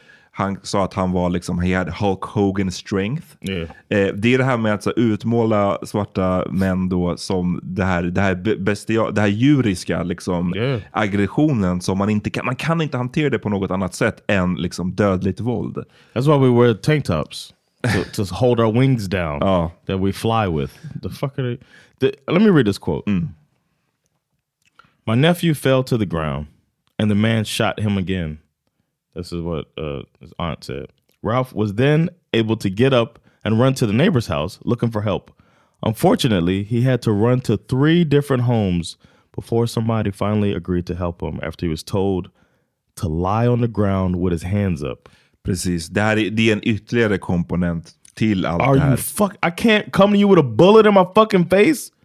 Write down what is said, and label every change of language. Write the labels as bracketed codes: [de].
[sv] Han sa att han var liksom, [en] he had Hulk Hogan strength. [sv] Det är det här med att så utmåla svarta män då som det här bestia, det här djuriska liksom aggressionen, som man kan inte hantera det på något annat sätt än liksom dödligt våld. [en] That's why we wear tank tops. To hold our wings down. Oh. That we fly with. The fuck are they? Let me read this quote. Mm. My nephew fell to the ground, and the man shot him again. This is what his aunt said. Ralph was then able to get up and run to the neighbor's house looking for help. Unfortunately, he had to run to 3 different homes before somebody finally agreed to help him after he was told to lie on the ground with his hands up. [sv] Precis, det är en ytterligare komponent till allt [en] Are [sv] det här. [en] You fuck, I can't come to you with a bullet in my fucking face?